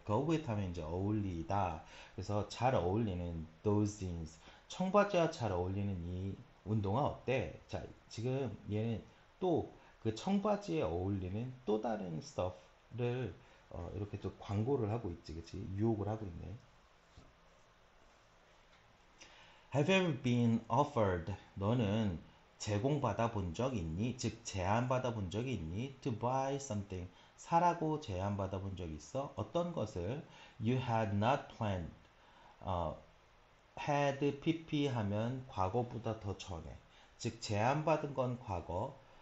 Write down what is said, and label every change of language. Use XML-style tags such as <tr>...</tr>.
<en>Go with</en> <ko>하면 이제 어울리다. 그래서 잘 어울리는</ko> <en>those jeans.</en> <ko>청바지와 잘 어울리는 이 운동화 어때? 자, 지금 얘는 또, 그 청바지에 어울리는 또 다른 스터프를 이렇게 또 광고를 하고 있지, 그치? 유혹을 하고 있네.</ko> <en>Have you ever been offered?</en> <ko>너는 제공받아 본적 있니? 즉, 제안받아 본 적이 있니?</ko> <en>To buy something.</en> <ko>사라고 제안받아 본적 있어? 어떤 것을?</ko> <en>You had not planned.</en> <ko>Had PP 하면 과거보다 더 전에. 즉, 제안받은 건 과거.</ko>